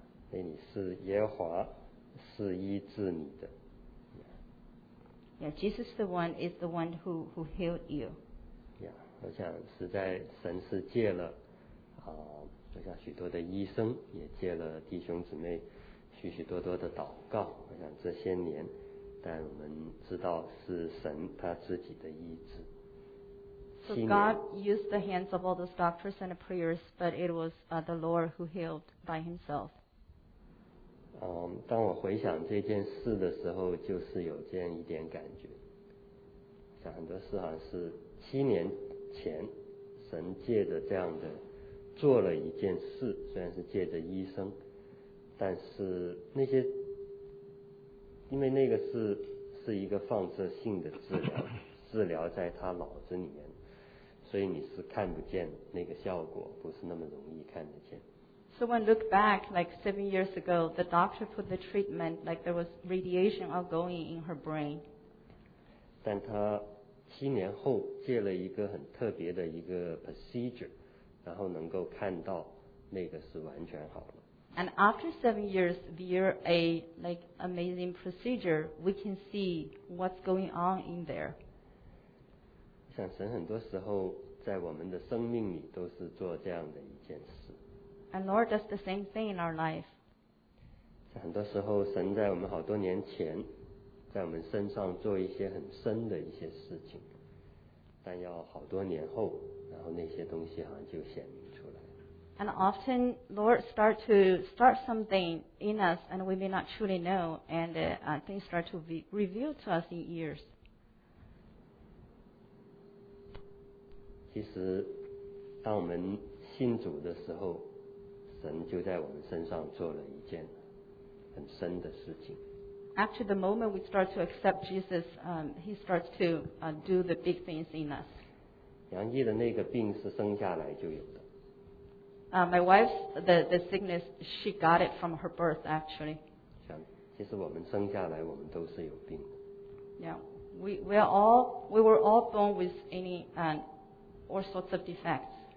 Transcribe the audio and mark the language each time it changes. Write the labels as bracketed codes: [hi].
[zh] 那你是耶和华是医治你的。 [en] Yeah, Jesus the one is the one who healed you. [zh] Yeah, 我想实在神是借了我想许多的医生，也借了弟兄姊妹许许多多的祷告。我想这些年，但我们知道是神他自己的医治。 [en] So God used the hands of all those doctors and the prayers, but it was the Lord who healed by himself. [zh] 当我回想这件事的时候，就是有这样一点感觉。想很多事好像是7年前神借着这样的做了一件事，虽然是借着医生，但是那些因为那个是一个放射性的治疗在他脑子里面，所以你是看不见那个效果，不是那么容易看得见。 [en] So when look back like 7 years ago, the doctor put the treatment like there was radiation ongoing in her brain. [zh] 但他7年后借了一个很特别的一个 procedure, 然后能够看到那个是完全好了。 [en] And after 7 years, via a like amazing procedure, we can see what's going on in there. [zh] 像神很多时候在我们的生命里都是做这样的一件事。 [en] And Lord does the same thing in our life. [zh] 很多时候神在我们好多年前在我们身上做一些很深的一些事情，但要好多年后，然后那些东西好像就显明出来。 [en] And often Lord start to start something in us and we may not truly know, and things start to be revealed to us in years. [zh] 其实当我们信主的时候，神就在我们身上做了一件很深的事情。 [en] After the moment we start to accept Jesus, he starts to do the big things in us. [zh] 杨毅的那个病是生下来就有的。 [en] My wife's the sickness, she got it from her birth, actually. [zh] 其实我们生下来我们都是有病的。 [en] Yeah, we were all born with any all sorts of defects.